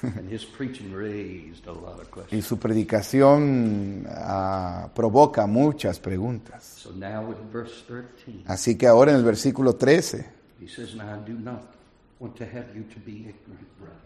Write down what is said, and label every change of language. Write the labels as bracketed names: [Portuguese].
[English] And his preaching raised a lot of questions. [Spanish] Y su predicación provoca muchas preguntas. [English] So now in verse 13, [Spanish] así que ahora en el versículo 13. [English] He says, "Now I do not want to have you to be ignorant, brother."